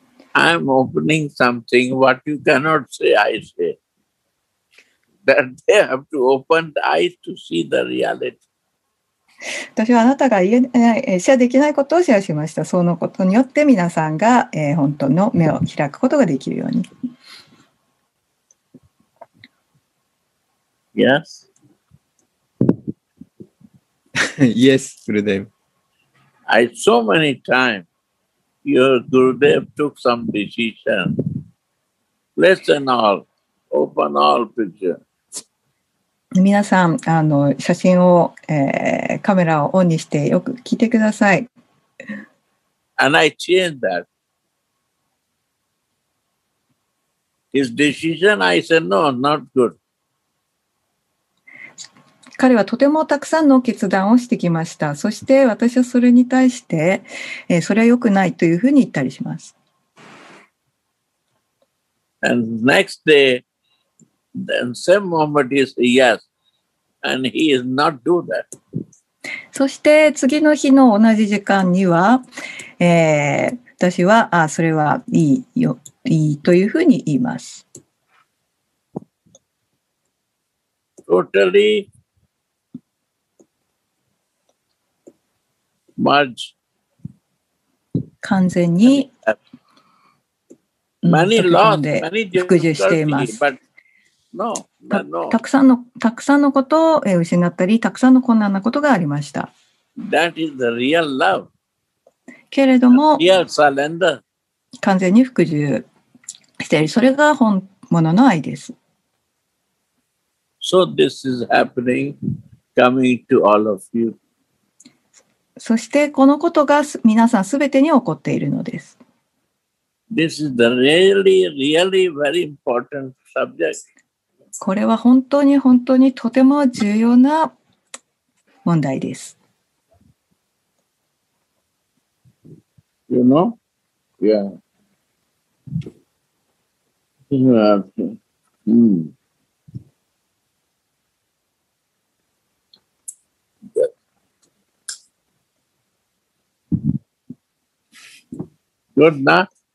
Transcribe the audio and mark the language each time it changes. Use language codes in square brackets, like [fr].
[en] I'm opening something what you cannot say, I say. That they have to open the eyes to see the reality. [ja] 私はあなたが言え、シェアできないことをシェアしました。そのことによって皆さんが、本当の目を開くことができるように。 [en] Yes? Yes, Gurudev. I so many times. Your Gurudev took some decision. Listen all. Open all picture. [ja] 皆さん、写真を、カメラをオンにしてよく聞いてください。 [en] And I changed that. His decision, I said, no, not good. [ja] 彼はとてもたくさんの決断をしてきました。そして私はそれに対して、それは良くないというふうに言ったりします。 [en] And next day, the same moment is yes, and he is not do that. [ja] そして次の日の同じ時間には、私は、あ、それはいいよ、いいというふうに言います。 [en] Totally. Merge. [ja] 完全に [en] many lost, many [ja] 復讐しています。 [en] No, [ja] たくさんのことを失ったり、たくさんの困難なことがありました。 [en] That is the real love. [ja] けれども、 [en] real surrender. [ja] 完全に復讐している。それが本物の愛です。 [en] So this is happening, coming to all of you. [ja] そしてこのことが皆さんすべてに起こっているのです。 [en] This is the really, really very important subject. [ja] これは本当に本当にとても重要な問題です。 [en] You know? Yeah. You know, Good, na?